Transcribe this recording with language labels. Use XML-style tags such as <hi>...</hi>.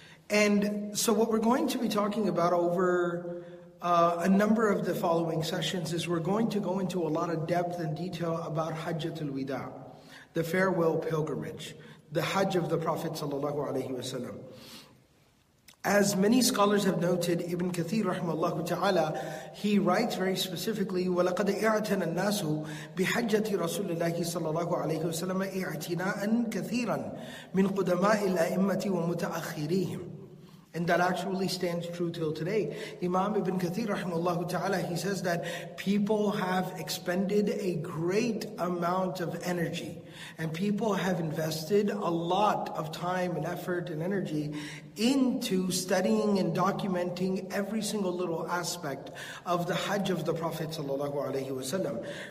<en>And so what we're going to be talking about over a number of the following sessions is we're going to go into a lot of depth and detail about Hajjatul Wida', the farewell pilgrimage, the Hajj of the Prophet sallallahu alaihi wasallam. As many scholars have noted, Ibn Kathir rahimahullah ta'ala, he writes very specifically,</en> <ar>وَلَقَدْ اِعْتَنَ النَّاسُ بِحَجَّةِ رَسُولِ اللَّهِ صَلَّى اللَّهُ عَلَيْهُ وَسَلَّمَ اِعْتِنَاءً كَثِيرًا مِنْ قُدَمَاءِ الْأَئِمَّةِ وَمُتَأَخِّرِيهِمْ.</ar> <en>And that actually stands true till today. Imam Ibn Kathir, rahimahullah ta'ala, he says that people have expended a great amount of energy. And people have invested a lot of time and effort and energy into studying and documenting every single little aspect of the Hajj of the Prophet sallallahu alaihi wasallam.</en>